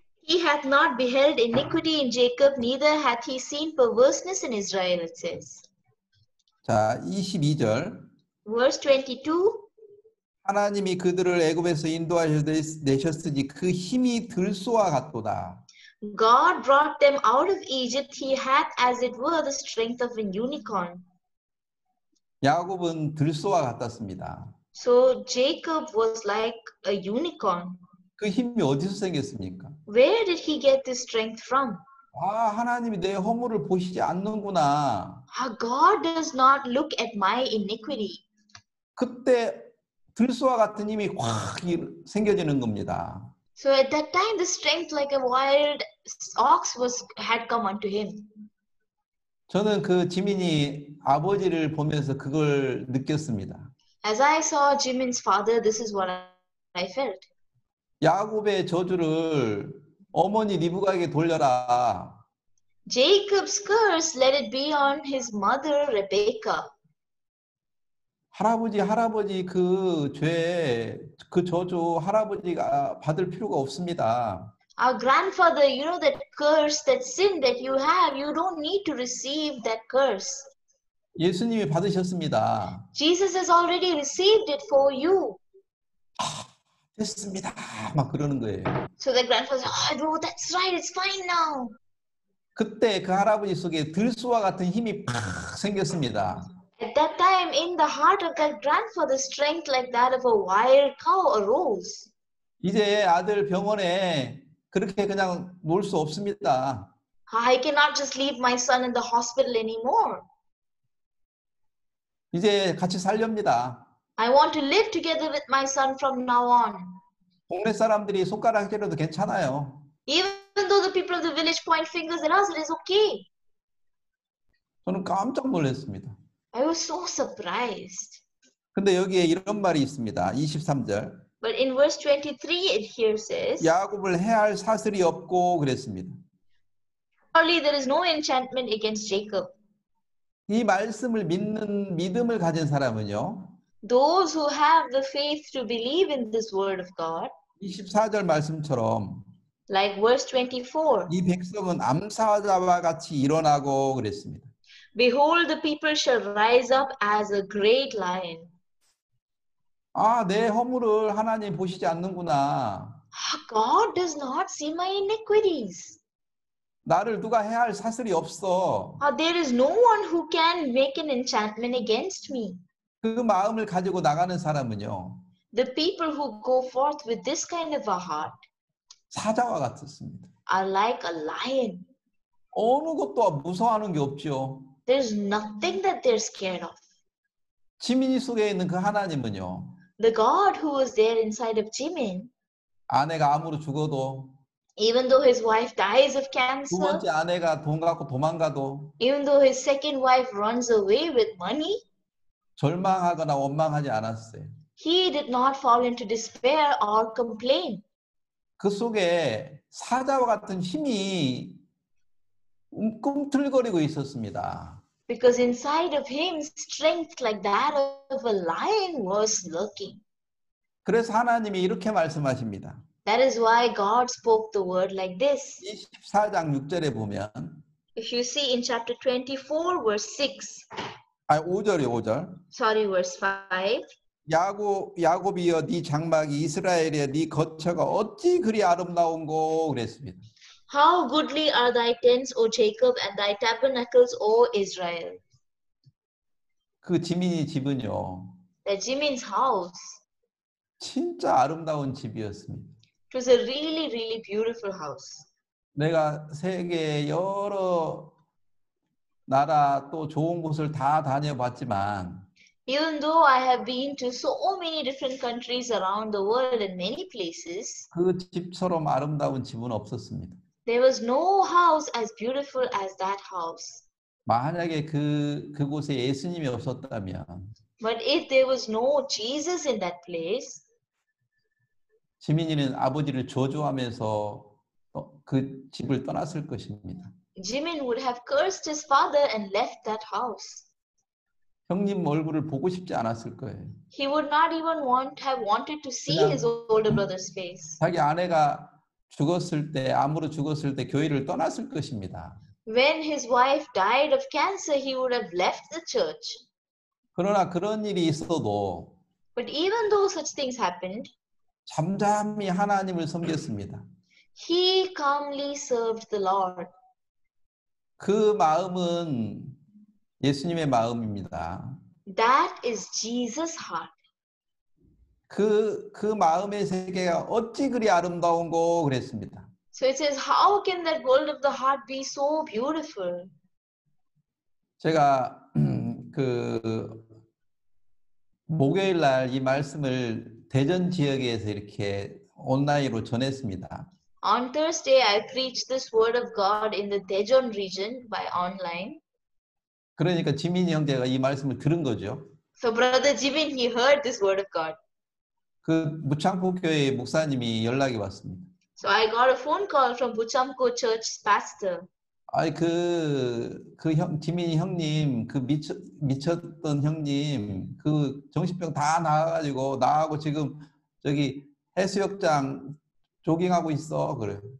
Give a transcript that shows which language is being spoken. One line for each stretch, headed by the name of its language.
English: He hath not beheld iniquity in Jacob, neither hath he seen perverseness in Israel, it says.
Korean: 자, 22절.
English: Verse 22.
Korean: 하나님이 그들을 애굽에서 인도하셨으니 그 힘이 들소와 같도다.
English: God brought them out of Egypt. He hath as it were the strength of an unicorn.
Korean: 야곱은 들소와 같았습니다.
English: So Jacob was like a unicorn.
Korean: 그 힘이 어디서 생겼습니까?
English: Where did he get this strength from?
Korean: 아, 하나님이 내 허물을 보시지 않는구나.
English: God does not look at my iniquity.
Korean: 그때 들소와 같은 힘이 확 생겨지는 겁니다.
English: So at that time the strength like a wild ox was had come unto him.
Korean: 저는 그 지민이 아버지를 보면서 그걸 느꼈습니다.
English: As I saw Jimin's father, this is what I felt.
Korean: 야곱의 저주를 어머니 리브가에게 돌려라.
English: Jacob's curse, let it be on his mother Rebecca.
Korean: 할아버지 그 죄, 그 저주 할아버지가 받을 필요가 없습니다.
English: Our grandfather, you know that curse, that sin that you have, you don't need to receive that curse.
Korean: 예수님이 받으셨습니다.
English: Jesus has already received it for you.
Korean: 아, 됐습니다. 막 그러는 거예요.
English: So the grandfather said, oh, that's right, it's fine now.
Korean: 그때 그 할아버지 속에 들소와 같은 힘이 팍 생겼습니다.
English: At that time, in the heart of that grandfather, strength like that of a wild cow arose.
Korean: 이제 아들 병원에 그렇게 그냥 놀 수 없습니다.
English: I cannot just leave my son in the hospital anymore.
Korean: 이제 같이 살렵니다.
English: I want to live together with my son from now on.
Korean: 동네 사람들이 손가락질해도 괜찮아요.
English: Even though the people of the village point fingers at us, it is okay.
Korean: 저는 깜짝 놀랐습니다.
English: I was so surprised.
Korean: 근데 여기에 이런 말이 있습니다. 23절.
English: But in verse 23, it here says,
Korean: 야곱을 해할 사슬이 없고 그랬습니다.
English: Surely there is no enchantment against Jacob.
Korean: 이 말씀을 믿는 믿음을 가진 사람은요.
English: Those who have the faith to believe in this word of God.
Korean: 24절 말씀처럼.
English: Like verse 24.
Korean: 이 백성은 암사자와 같이 일어나고 그랬습니다.
English: Behold, the people shall rise up as a great lion.
Korean: 아, 내 허물을 하나님 보시지 않는구나.
English: God does not see my iniquities.
Korean: 나를 누가 해할 사슬이 없어.
English: There is no one who can make an enchantment against me.
Korean: 그 마음을 가지고 나가는 사람은요.
English: The people who go forth with this kind of a heart.
Korean: 사자와 같았습니다.
English: Are like a lion.
Korean: 어느 것도 무서워하는 게 없죠.
English: There is nothing that they're scared of.
Korean: 지민이 속에 있는 그 하나님은요.
English: The God who was there inside of Jimin.
Korean: 아내가 암으로 죽어도.
English: Even though his wife dies of cancer.
Korean: 두 번째 아내가 돈 갖고 도망가도.
English: Even though his second wife runs away with money.
Korean: 절망하거나 원망하지 않았어요.
English: He did not fall into despair or complain.
Korean: 그 속에 사자와 같은 힘이 꿈틀거리고 있었습니다.
English: Because inside of him, strength like that of a lion was lurking.
Korean: 그래서 하나님이 이렇게 말씀하십니다.
English: That is why God spoke the word like this.
Korean: 24장 6절에 보면.
English: If you see in chapter 24, verse 6.
Korean: 아니, 5절이요, 5절.
English: Sorry, verse 5.
Korean: 야곱이여, 네 장막이 이스라엘이여, 네 거처가 어찌 그리 아름다운고 그랬습니다.
English: How goodly are thy tents, O Jacob, and thy tabernacles, O Israel.
Korean: 그 지민이 집은요.
English: The Jimin's house.
Korean: 진짜 아름다운 집이었습니다.
English: It was a really, really beautiful house.
Korean: 내가 세계 여러 나라 또 좋은 곳을 다 다녀봤지만.
English: Even though I have been to so many different countries around the world in many places,
Korean: 그 집처럼 아름다운 집은 없었습니다.
English: There was no house as beautiful as that house.
Korean: 만약에 그곳에 예수님이 없었다면,
English: But if there was no Jesus in that place,
Korean: 지민이는 아버지를 저주하면서 그 집을 떠났을 것입니다.
English: Jimin would have cursed his father and left that house.
Korean: 형님 얼굴을 보고 싶지 않았을 거예요.
English: He would not even have wanted to see his older brother's face.
Korean: 자기 아내가 죽었을 때, 암으로 죽었을 때 교회를 떠났을 것입니다.
English: When his wife died of cancer, he would have left the church.
Korean: 그러나 그런 일이 있어도
English: But even though such things happened,
Korean: 잠잠히 하나님을 섬겼습니다.
English: He calmly served the Lord.
Korean: 그 마음은 예수님의 마음입니다.
English: That is Jesus' heart.
Korean: 그 마음의 세계가 어찌 그리 아름다운고 그랬습니다.
English: So it says, how can that world of the heart be so beautiful?
Korean: 제가 그 목요일 날 이 말씀을 대전 지역에서 이렇게 온라인으로 전했습니다.
English: On Thursday, I preached this word of God in the Daejeon region by online.
Korean: 그러니까 지민이 형제가 이 말씀을 들은 거죠.
English: So brother Jimin, he heard this word of God.
Korean: 그 무창포 교회 목사님이 연락이 왔습니다.
English: So I got a phone call from Muchangpo Church pastor.
Korean: 아이 그 형 지민이 형님 그 미쳤던 형님 그 정신병 다 나아가지고 나하고 지금 저기 해수욕장 조깅하고 있어 그래.